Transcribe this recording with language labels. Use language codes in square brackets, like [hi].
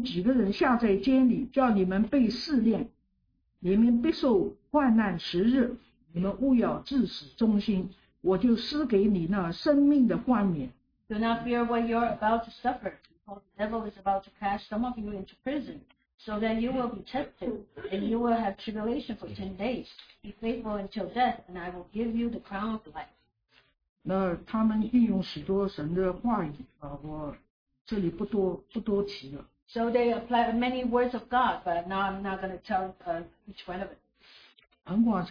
[zh] 魔鬼要把你们中间几个人下在监里, 叫你们被试炼。你们必受患难时日, 你们务要至死忠心, 我就施给你那生命的冠冕。 [en] Do not fear what you are about to suffer. The devil is about to cast some of you into prison, so that you will be tempted, and you will have tribulation for 10 days. Be faithful until death, and I will give you the crown of life. [zh] 那他们应用许多神的话语, 我这里不多提了。 [en] So they apply many words of God, but now I'm not going to tell each one of it.